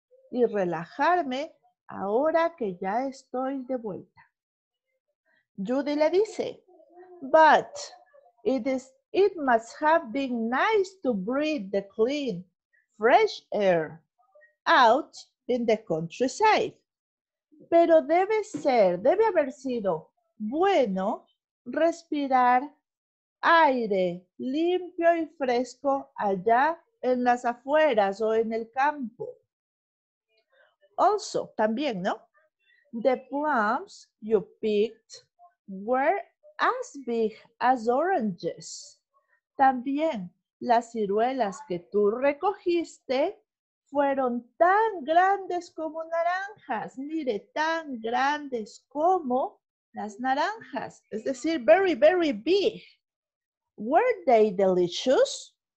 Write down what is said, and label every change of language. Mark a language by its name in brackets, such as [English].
[Spanish] Y relajarme ahora que ya estoy de vuelta. [English] Judy [Spanish] le dice, [English] but it must have been nice to breathe the clean, fresh air out in the countryside. [Spanish] Pero debe haber sido bueno respirar aire limpio y fresco allá en las afueras o en el campo. [English] Also, [Spanish] también, ¿no? [English] The plums you picked were as big as oranges. [Spanish] También las ciruelas que tú recogiste fueron tan grandes como naranjas. Mire, tan grandes como las naranjas. Es decir, [English] very, very big. Were they delicious?